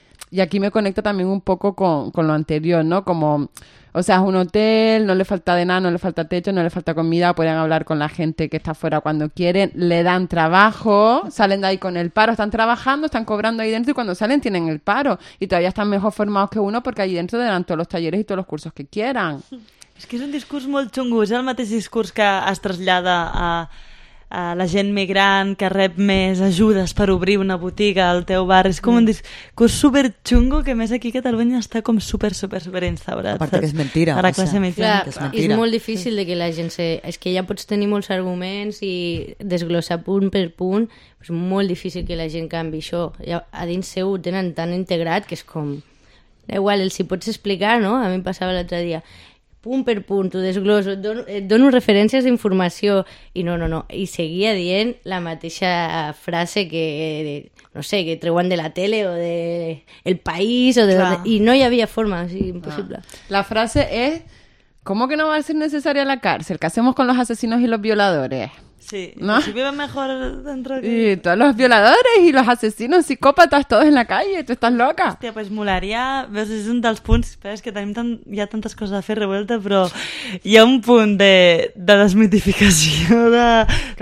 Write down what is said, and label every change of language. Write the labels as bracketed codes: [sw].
[es] Y aquí me conecta también un poco con lo anterior, ¿no? Como, o sea, es un hotel, no le falta de nada, no le falta techo, no le falta comida, pueden hablar con la gente que está fuera cuando quieren, le dan trabajo, salen de ahí con el paro, están trabajando, están cobrando ahí dentro y cuando salen tienen el paro. Y todavía están mejor formados que uno porque ahí dentro dan todos los talleres y todos los cursos que quieran. Es que es un discurso muy chungo, [ca] es el mateix discurso que has traslladat a la gent migrant que rep més ajudes per obrir una botiga al teu bar. És com un discurs super xungo que més aquí a Catalunya està com super, super, super instaurat. A part que és mentira. A la classe mitjana. És molt difícil de que la gent se... És que ja pots tenir molts arguments i desglossar punt per punt. És molt difícil que la gent canvi això. Ja, a dins seu ho tenen tan integrat que és com... Igual, els hi pots explicar, no? A mi em passava l'altre dia... punt per punt, t'ho desgloso, et dono referències d'informació, i no, i seguia dient la mateixa frase que, no sé, que treuen de la tele o de El País, o de donde, i no hi havia forma, o sigui, impossible. Ah. La frase és, [es] ¿cómo que no va a ser necesaria la cárcel? ¿Qué hacemos con los asesinos y los violadores? Sí, ¿no? Si viven mejor dentro que... Y todos los violadores y los asesinos psicópatas todos en la calle, ¿tú estás loca? [ca] Hòstia, pues molaria, veus, és un dels punts, espera, és que tenim tant, hi ha tantes coses a fer revolta, però hi ha un punt de desmitificació de claro.